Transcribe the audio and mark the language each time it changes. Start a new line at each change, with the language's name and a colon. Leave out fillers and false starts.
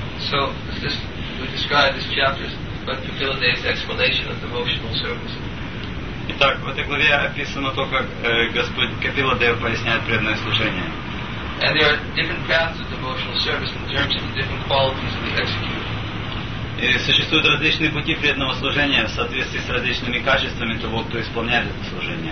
English: So, this, we describe this chapter as Lord Kapila Deva's explanation of devotional service.
Russian: Итак, в этой главе описано то, как Господь Капила Дева поясняет преданное служение.
English: And there are different paths of devotional service in terms of the different qualities of the executor.
Russian: существуют различные пути преданного служения в соответствии с различными качествами того, кто исполняет это служение.